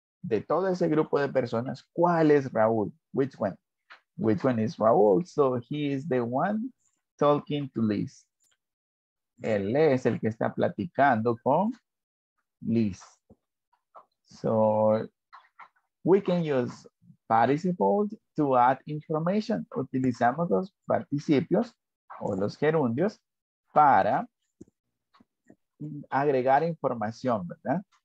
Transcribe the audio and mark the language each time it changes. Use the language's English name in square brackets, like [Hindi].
[Spanish] De todo ese grupo de personas, ¿cuál es Raul? [English] Which one? Which one is Raul? So he is the one talking to Liz. [Spanish] Él es el que está platicando con Liz. [English] So we can use participles to add information. [Spanish] Utilizamos los participios o los gerundios para agregar información, ¿verdad?